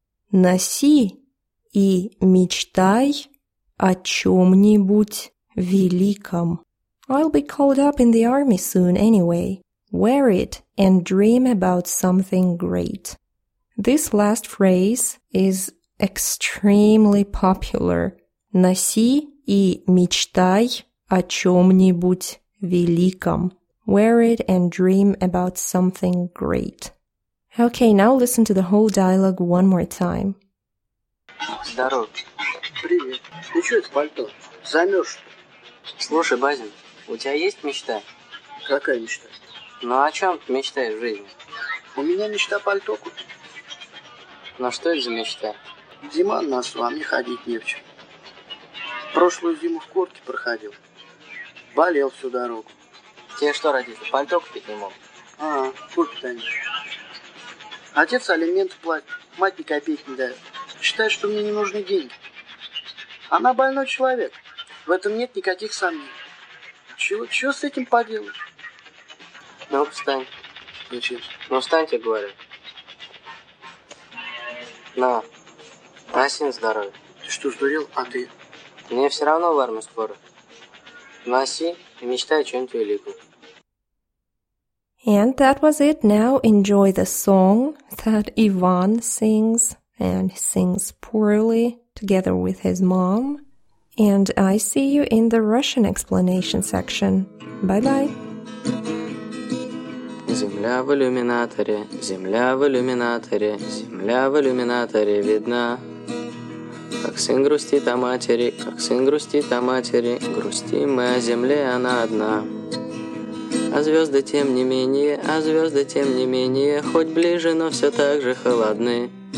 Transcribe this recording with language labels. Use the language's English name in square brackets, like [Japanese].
[Russian] Носи и мечтай о чем-нибудь великом. [English] I'll be called up in the army soon anyway. Wear it and dream about something great. This last phrase is extremely popular. Носи и мечтай о чем-нибудь великом. Wear it and dream about something great. Okay, now listen to the whole dialogue one more time. [Russian] Здорово. Привет. Ты что, это пальто? Замерз. Слушай, Базин, у тебя есть мечта? Какая мечта? Ну, о чем ты мечтаешь в жизни? У меня мечта пальто купить. Ну, что это за мечта? Зима на носу, а мне ходить не в чем. Прошлую зиму в куртке проходил. Болел всю дорогу. Тебе что, родители, пальто купить не мог? А, куртка нет. Отец алименты платит, мать ни копейки не дает. Считает, что мне не нужны деньги. Она больной человек. В этом нет никаких сомнений. Чего с этим поделаешь? Ну, встань. Зачем? Ну, встань, тебе говорю. На. Носи на здоровье. Ты что, сдурел? А ты? Мне все равно в армию скоро. Носи и мечтай о чем-то великом. [English] And that was it. Now enjoy the song that Ivan sings, and sings poorly together with his mom. And I see you in the Russian explanation section. Bye-bye. [Russian] Земля в иллюминаторе, земля в иллюминаторе, земля в иллюминаторе видна. Как сын грустит о матери, как сын грустит о матери, грустим мы о земле, она одна. А звезды тем не менее, хоть ближе, но все так же холодны.